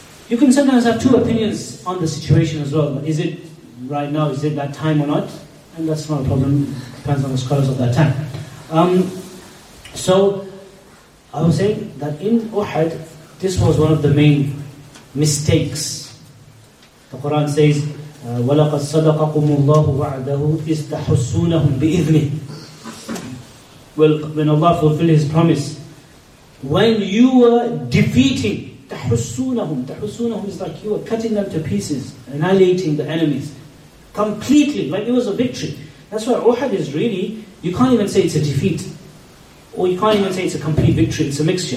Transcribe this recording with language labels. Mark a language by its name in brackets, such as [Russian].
[English] You can sometimes have two opinions on the situation as well. Is it right now, is it that time or not? And that's not a problem, depends on the scholars of that time. So, I was saying that in Uhud, this was one of the main mistakes. The Quran says, [Arabic] وَلَقَدْ صَدَقَكُمُ اللَّهُ وَعْدَهُ إِسْتَحُسُّونَهُمْ بِإِذْنِهِ. [English] Well, when Allah fulfilled His promise, when you were defeating, تَحُسُّونَهُمْ, تَحُسُّونَهُمْ is like you were cutting them to pieces, annihilating the enemies, completely, like it was a victory. That's why Uhud is really, you can't even say it's a defeat. Or you can't even say it's a complete victory, it's a mixture.